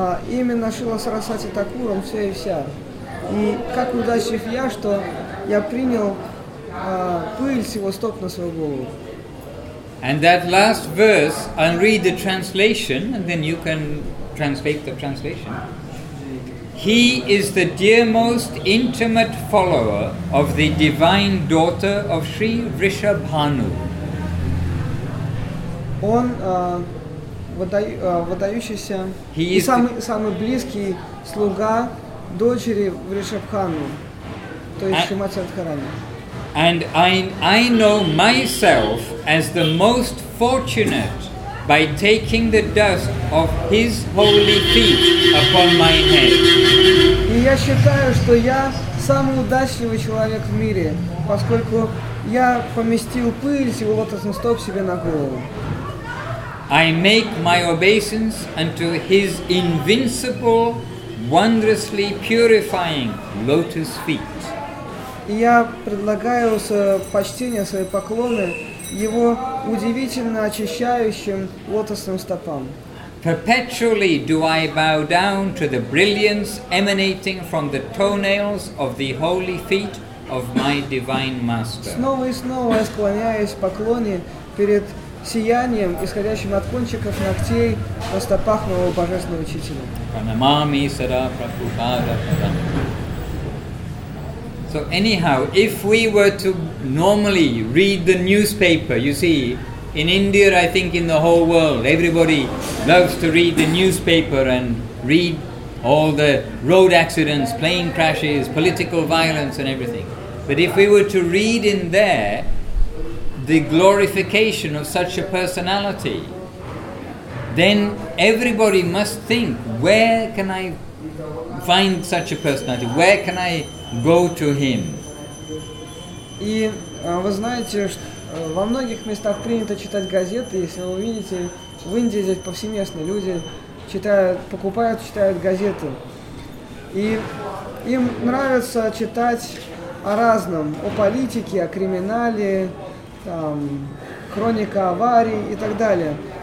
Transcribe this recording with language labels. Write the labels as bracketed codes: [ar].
[ru] Именно Шрила Сарасвати Такура, он все и вся. И как удачлив я, что я принял пыль с его стоп на свою голову. [en] And that last verse, I'll read the translation, and then you can translate the translation. He is the dearmost intimate follower of the divine daughter of Sri Vrishabhanu. [ru] Он выдающийся и самый близкий слуга дочери Вришабхану, то есть Шримати Радхарани. [en] And I know myself as the most fortunate by taking the dust of his holy feet upon my head. [ru] И я считаю, что я самый удачливый человек в мире, поскольку я поместил пыль с его лотосных стоп себе на голову. [en] I make my obeisance unto his invincible, wondrously purifying lotus feet. [ru] Я предлагаю свое почтение, свои поклоны его удивительно очищающим лотосным стопам. [en] Perpetually do I bow down to the brilliance emanating from the toenails of the holy feet of my divine master. [ru] Снова и снова я склоняюсь в поклоне перед сиянием, исходящим от кончиков ногтей на стопах моего божественного учителя. [sa] Pranamami sada prabhupada padam. [en] So anyhow, if we were to normally read the newspaper, you see, in India, I think in the whole world, everybody loves to read the newspaper and read all the road accidents, plane crashes, political violence and everything. But if we were to read in there the glorification of such a personality, then everybody must think, where can I find such a personality? Where can I go to him? [ru] И вы знаете, что во многих местах принято читать газеты. Если вы увидите, в Индии здесь повсеместно люди читают, покупают, читают газеты. И им нравится читать о разном, о политике, о криминале, там, хроника аварий и так далее.